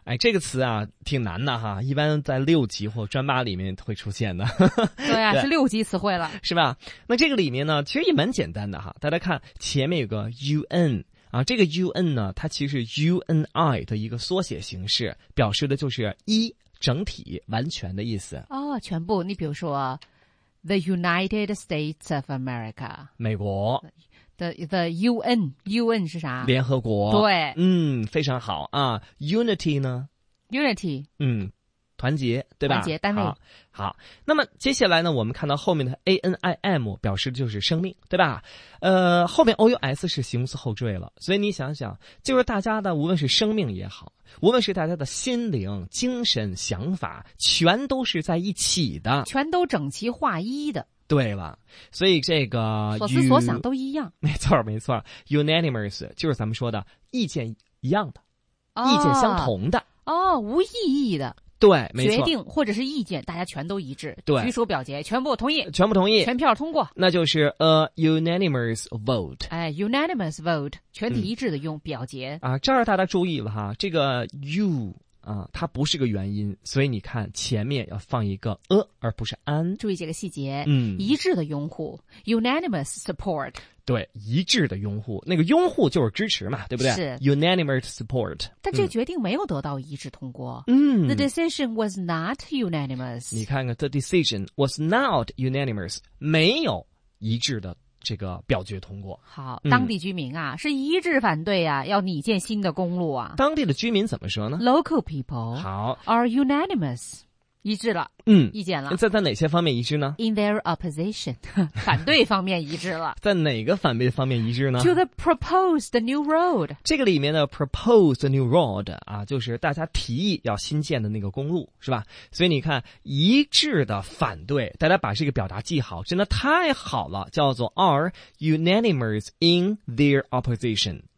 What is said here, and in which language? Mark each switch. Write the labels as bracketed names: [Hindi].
[Chinese] 哎，这个词啊，挺难的哈，一般在六级或专八里面会出现的。对啊，是六级词汇了，是吧？那这个里面呢，其实也蛮简单的哈。大家看前面有个 UN 啊，这个 UN 呢，它其实 UNI 的一个缩写形式，表示的就是一整体、完全的意思。哦，全部。你比如说 [English] ，The United States of America， [Chinese] 美国。 The UN 是啥？联合国。对，嗯，非常好啊。Unity 呢 [English] ？Unity， [Chinese] 嗯，团结，对吧？团结单位。好，那么接下来呢，我们看到后面的 anim 表示的就是生命，对吧？后面 ous 是形容词后缀了，所以你想想，就是大家的，无论是生命也好，无论是大家的心灵、精神、想法，全都是在一起的，全都整齐划一的。对了，所以这个所思所想都一样，没错没错 ，unanimous 就是咱们说的意见一样的，哦、意见相同的哦，无异议的，对，没错，决定或者是意见，大家全都一致，对，举手表决，全部同意，全部同意，全票通过，那就是 [English] unanimous vote， [Chinese] 哎 ， [English] unanimous vote， [Chinese] 全体一致的用表决、嗯、啊，这儿大家注意了哈，这个 you 啊，它不是个元音，所以你看前面要放一个而不是安。注意这个细节，嗯，一致的拥护 ， [English] unanimous support。 [Chinese] 对，一致的拥护，那个拥护就是支持嘛，对不对？是 [English] unanimous support。 [Chinese] 但这个决定没有得到一致通过。嗯 [English] ，the decision was not unanimous。 [Chinese] 你看看 ， [English] the decision was not unanimous， [Chinese] 没有一致的这个表决通过。好，当地居民啊、嗯、是一致反对啊，要拟建新的公路啊。当地的居民怎么说呢 [English] ？Local people [Chinese] 好 [English] are unanimous， [Chinese] 一致了，嗯，意见了。在哪些方面一致呢 [English] ？In their opposition， [Chinese] 反对方面一致了。在哪个反对方面一致呢 [English] ？To the proposed new road， [Chinese] 这个里面的 [English] proposed new road [Chinese] 啊，就是大家提议要新建的那个公路，是吧？所以你看，一致的反对，大家把这个表达记好，真的太好了，叫做 [English] are unanimous in their opposition。